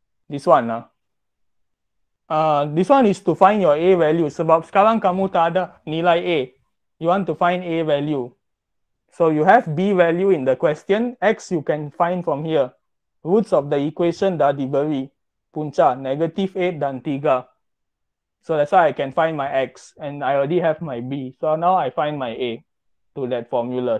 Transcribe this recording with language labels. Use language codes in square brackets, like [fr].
[en] This one lah. This one is to find your A value. [ms] Sebab sekarang kamu tak ada nilai A. [en] You want to find A value. So you have B value in the question. X you can find from here. Roots of the equation [ms] dah diberi. Punca, [en] negative 8 [ms] dan [en] 3. So that's why I can find my X. And I already have my B. So now I find my A to that formula.